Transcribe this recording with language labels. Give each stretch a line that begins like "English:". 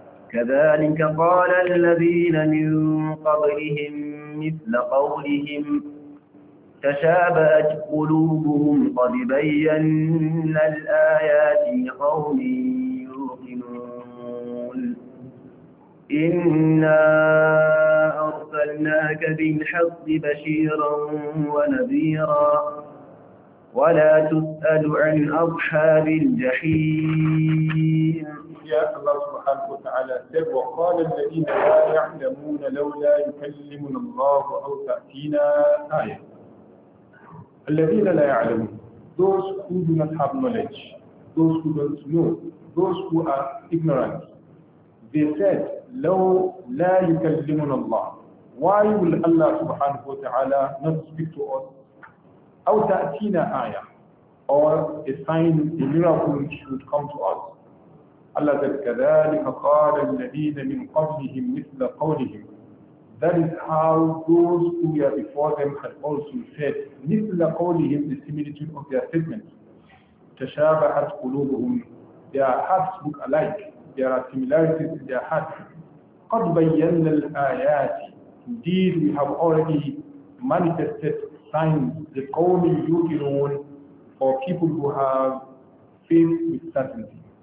Arabic: كذلك قال الذين من قبلهم مثل قولهم تشابهت قلوبهم قد بينا الآيات لقوم يوقنون إنا أرسلناك بالحق بشيرا ونذيرا ولا تسأل عن أصحاب الجحيم. يا الله سبحانه وتعالى سب وقال الذين لا يعلمون لولا يكلمنا الله أو تأتينا آية. الذين لا يعلمون,
English: those who do not have knowledge, those who don't know, those who are ignorant, they said
Arabic: لو لا يكلمنا الله,
English: why will Allah سبحانه وتعالى not speak to us,
Arabic: أو تأتينا آية,
English: or a sign, a miracle should come to us.
Arabic: الله ذلك كذلك قال الذين من قبلهم مثل قولهم.
English: That is how those who were before them had also said,
Arabic: مثل قولهم,
English: the similitude of their statement.
Arabic: تشابهت قلوبهم,
English: their hearts look alike, there are similarities in their hearts.
Arabic: قد بينا الآيات,
English: indeed we have already manifested signs, the
Arabic: قوم يوقنون,
English: for people who have faith with certainty.